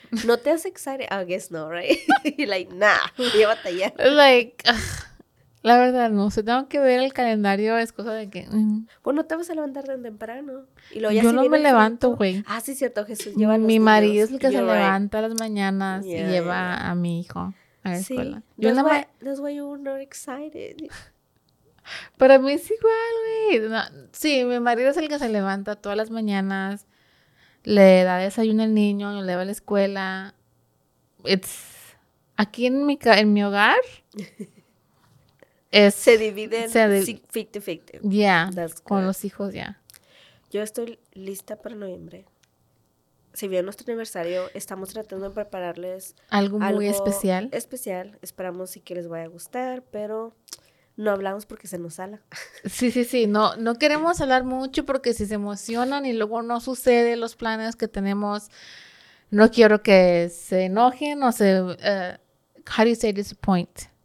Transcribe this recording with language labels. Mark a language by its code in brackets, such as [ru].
[es] ¿No te hace [en] excited? I guess no, right? Like, nah, [es] voy a batallar. Like, la verdad, no sé. Tengo que ver el calendario, es cosa de que... Bueno, te vas a levantar tan temprano. Y luego ya yo sí no me levanto, güey. Ah, sí, cierto, Jesús, lleva a mi marido niños. Es el que se levanta a las mañanas y lleva a mi hijo a la escuela. Sí, [en] yo that's why you're not excited. [es] Para mí es igual, güey. No, sí, mi marido es el que se levanta todas las mañanas. Le da desayuno al niño, lo lleva a la escuela. It's... Aquí en mi hogar... Es, se divide en 50-50. Ya, con los hijos, ya. Yo estoy lista para noviembre. Si bien nuestro aniversario, estamos tratando de prepararles... Algo muy especial. Especial. Esperamos sí que les vaya a gustar, pero... No hablamos porque se nos sala. Sí, sí, sí. No, no queremos hablar mucho porque si se emocionan y luego no sucede los planes que tenemos, no quiero que se enojen o se... [en] how do you say disappoint?